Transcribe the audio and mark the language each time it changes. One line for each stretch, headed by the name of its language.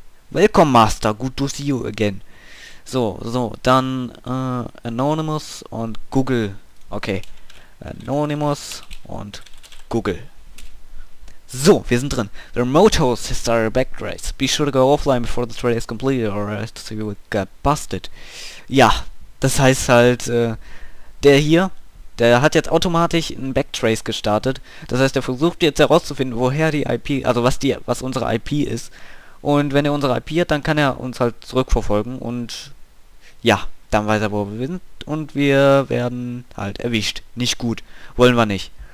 English: Welcome Master, good to see you again.
German: So, so, dann Anonymous und Google. Okay, Anonymous und Google. So, wir sind drin.
English: The remote host has started a back race. Be sure to go offline before the trade is completed or else you will get busted.
German: Ja, das heißt halt, der hier, der hat jetzt automatisch einen Backtrace gestartet. Das heißt, er versucht jetzt herauszufinden, woher die IP, also was unsere IP ist. Und wenn er unsere IP hat, dann kann er uns halt zurückverfolgen. Und ja, dann weiß er, wo wir sind. Und wir werden halt erwischt. Nicht gut. Wollen wir nicht.